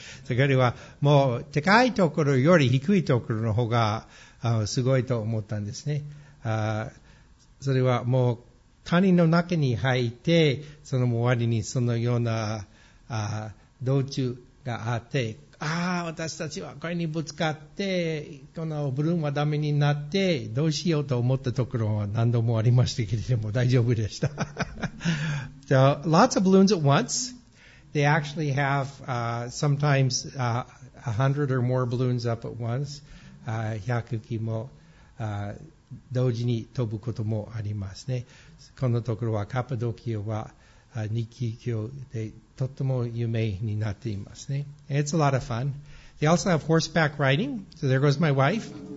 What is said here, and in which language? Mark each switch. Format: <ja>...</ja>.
<ja>So, これはもう高いところより低いところの方がすごいと思ったんですね。それはもう谷の中に入ってその周りにそのような道中があってああ、私たちはこれにぶつかって、このブルームはダメになって、どうしようと思ったところは何度もありましたけれども、大丈夫でした。</ja> <en>So, lots of balloons at once. They actually have sometimes 100 or more balloons up at once.</en> <ja>100機も同時に飛ぶこともありますね。このところはカパドキアは日記教でとっても有名になっていますね。</ja> <en>It's a lot of fun. They also have horseback riding. So there goes my wife.</en>